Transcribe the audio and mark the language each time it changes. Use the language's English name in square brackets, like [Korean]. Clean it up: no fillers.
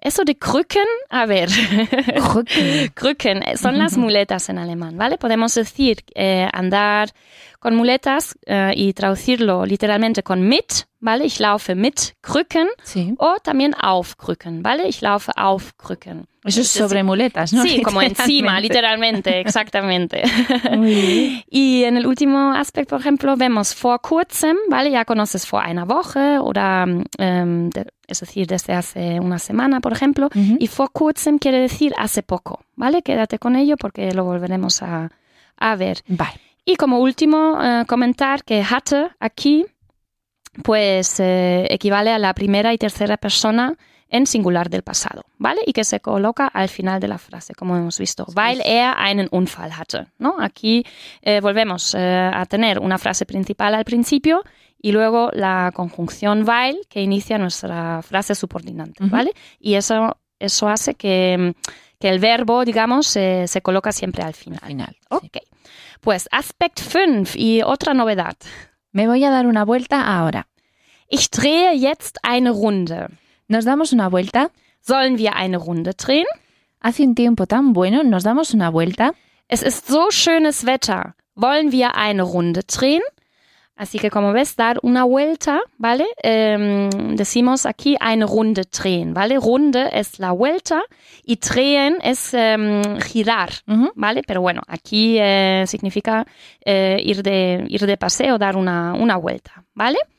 [Spanish] Eso de Krücken, a ver. Krücken. Krücken, son las muletas en alemán, ¿vale? Podemos decir andar con muletas y traducirlo literalmente con mit, ¿vale? [German] Ich laufe mit Krücken. [Spanish] Sí. O también auf Krücken, ¿vale? [German] Ich laufe auf Krücken. [Spanish] Eso es sobre muletas, ¿no? Sí, como encima, literalmente, exactamente. Muy bien. Y en el último aspecto, por ejemplo, vemos vor kurzem, ¿vale? Ya conoces [German] vor einer Woche oder, [Spanish] es decir, desde hace una semana, por ejemplo. Uh-huh. Y vor kurzem quiere decir hace poco, ¿vale? Quédate con ello porque lo volveremos a ver. Vale. Y como último, comentar que hatte aquí, pues equivale a la primera y tercera persona en singular del pasado, ¿vale? Y que se coloca al final de la frase, como hemos visto, sí. [German] Weil er einen Unfall hatte, ¿no? [Spanish] Aquí volvemos a tener una frase principal al principio y luego la conjunción weil que inicia nuestra frase subordinante, ¿vale? Uh-huh. Y eso hace que el verbo, digamos, se coloca siempre al final. Al final, ok. Sí. Pues aspect 5 y otra novedad. Me voy a dar una vuelta ahora. [German] Ich drehe jetzt eine Runde. [Spanish] ¿Nos damos una vuelta? [German] Sollen wir eine Runde drehen? [Spanish] Hace un tiempo tan bueno, ¿nos damos una vuelta? [German] Es ist so schönes Wetter. Wollen wir eine Runde drehen? [Spanish] Así que como ves, dar una vuelta, ¿vale? Decimos aquí eine Runde drehen, ¿vale? Runde es la vuelta y drehen es girar, ¿vale? Pero bueno, aquí significa ir de paseo, dar una vuelta, ¿vale?